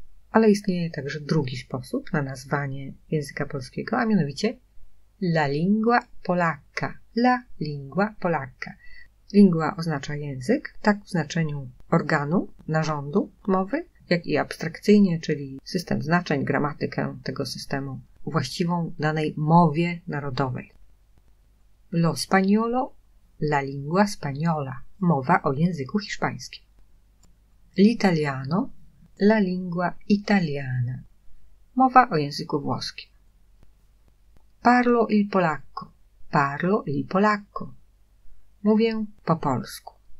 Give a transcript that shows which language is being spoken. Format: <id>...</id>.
<pl>Ale istnieje także drugi sposób na nazwanie języka polskiego, a mianowicie</pl> <it>la lingua polacca. La lingua polacca.</it> <pl>Lingua oznacza język, tak w znaczeniu organu, narządu mowy, jak i abstrakcyjnie, czyli system znaczeń, gramatykę tego systemu właściwą danej mowie narodowej.</pl> <it>Lo spagnolo, la lingua spagnola.</it> <pl>Mowa o języku hiszpańskim.</pl> <it>L'italiano, la lingua italiana.</it> <pl>Mowa o języku włoskim.</pl> <it>Parlo il polacco. Parlo il polacco.</it> <pl>Mówię po polsku.</pl>